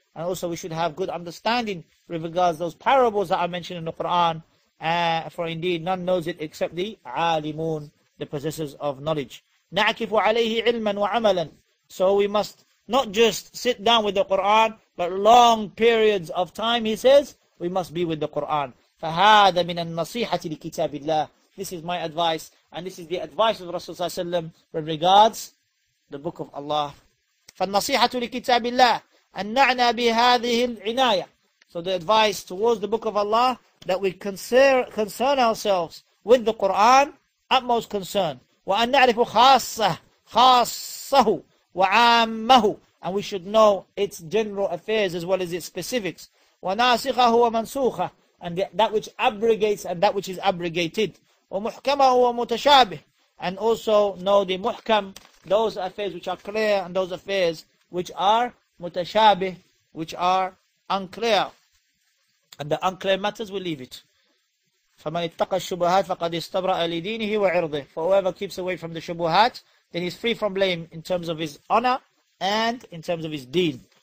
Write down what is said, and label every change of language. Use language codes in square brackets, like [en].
[en] And also we should have good understanding with regards to those parables that are mentioned in the Quran. For indeed none knows it except the عالمون, the possessors of knowledge. [ar] نعكف عليه علما وعملا. [en] So we must not just sit down with the Quran, but long periods of time, he says, we must be with the Quran. [ar] فهذا من النصيحة لكتاب الله. [en] This is my advice, and this is the advice of Rasul Sallallahu Alaihi Wasallam with regards the book of Allah. [ar] فالنصيحة لكتاب الله أن نعنى بهذه العناية. [en] So the advice towards the book of Allah, that we concern ourselves with the Quran, utmost concern. [ar] وأن نعرف خاصه وعامه. [en] And we should know its general affairs as well as its specifics. [ar] وناسخه ومنسوخه. [en] And that which abrogates and that which is abrogated. [ar] ومحكمه ومتشابه. [en] And also know the muhkam, those affairs which are clear, and those affairs which are متشابه, which are unclear. And the unclear matters, we leave it. [ar] فمن اتقى الشبهات فقد استبرأ لدينه وعرضه. [en] For whoever keeps away from the shubuhat, then he's free from blame in terms of his honor and in terms of his deen.